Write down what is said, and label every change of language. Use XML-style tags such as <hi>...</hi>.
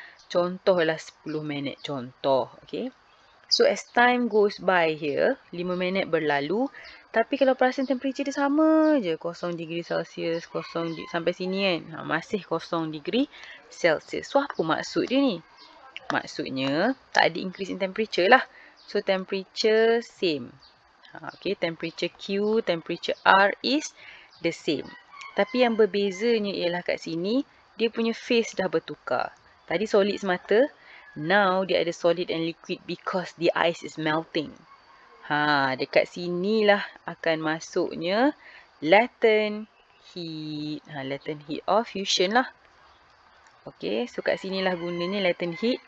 <ms>Contohlah 10 minit, contoh, okay.</ms> <en>So as time goes by here,</en> <ms>5 minit berlalu, tapi kalau perasan temperature dia sama je, 0 degree Celsius, 0 sampai sini kan, ha, masih 0 degree Celsius. So apa maksud dia ni? Maksudnya, tak ada increase in temperature lah. So, temperature same.</ms> <en>Ha, okay, temperature Q, temperature R is the same.</en> <ms>Tapi yang berbezanya ialah kat sini, dia punya phase dah bertukar. Tadi solid semata,</ms> <en>now dia ada solid and liquid because the ice is melting.</en> <ms>Ha, dekat sinilah akan masuknya latent heat. Ha, latent heat of fusion lah. Okay, so kat sini lah gunanya latent heat.</ms>